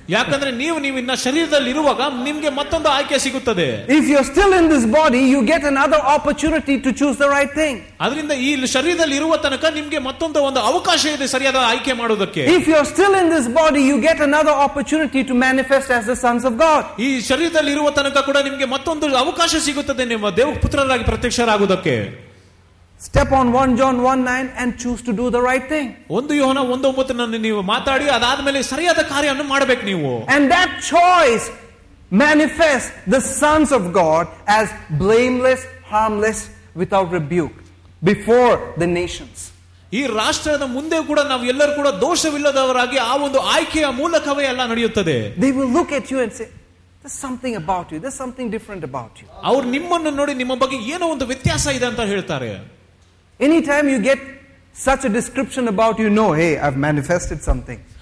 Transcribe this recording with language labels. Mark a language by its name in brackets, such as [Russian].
[Kannada] ಯಾಕಂದ್ರೆ ನೀವು ಇನ್ನ ಶರೀರದಲ್ಲಿ ಇರುವಾಗ ನಿಮ್ಗೆ ಮತ್ತೊಂದು ಆಯ್ಕೆ ಸಿಗುತ್ತದೆ. [English] If you are still in this body, you get another opportunity to choose the right thing. [Kannada] ಅದರಿಂದ ಈ ಶರೀರದಲ್ಲಿ ಇರುವ ತನಕ ನಿಮ್ಗೆ ಮತ್ತೊಂದು ಒಂದು ಅವಕಾಶ ಇದೆ ಸರಿಯಾದ ಆಯ್ಕೆ ಮಾಡೋದಕ್ಕೆ. [English] If you are still in this body, you get another opportunity to manifest as the sons of God. [Kannada] ಈ ಶರೀರದಲ್ಲಿ ಇರುವ ತನಕ ಕೂಡ ನಿಮ್ಗೆ ಮತ್ತೊಂದು ಅವಕಾಶ ಸಿಗುತ್ತದೆ ನಿಮ್ಮ ದೇವ ಪುತ್ರರಾಗಿ ಪ್ರತ್ಯಕ್ಷರಾಗುವುದಕ್ಕೆ. [English] Step on 1 John 1:9 and choose to do the right thing. [Kannada] ಒಂದು ಯೋಹನ 1:9 ನೀವು ಮಾತಾಡಿ ಅದಾದ್ಮೇಲೆ ಸರಿಯಾದ ಕಾರ್ಯವನ್ನು ಮಾಡಬೇಕು ನೀವು. [English] And that choice manifests the sons of God as blameless, harmless, without rebuke before the nations. [Kannada] ಈ ರಾಷ್ಟ್ರದ ಮುಂದೆ ಕೂಡ ನಾವು ಎಲ್ಲರೂ ಕೂಡ ದೋಷವಿಲ್ಲದವರಾಗಿ ಆ ಒಂದು ಆಯ್ಕೆಯ ಮೂಲಕವೇ ಎಲ್ಲ ನಡೆಯುತ್ತದೆ. [English] They will look at you and say, There's something about you. There's something different about you. [Kannada] ಅವರು ನಿಮ್ಮನ್ನು ನೋಡಿ ನಿಮ್ಮ ಬಗ್ಗೆ ಏನೋ ಒಂದು ವ್ಯತ್ಯಾಸ ಇದೆ ಅಂತ ಹೇಳ್ತಾರೆ. [English] Any time you get such a description about you know hey I have manifested something.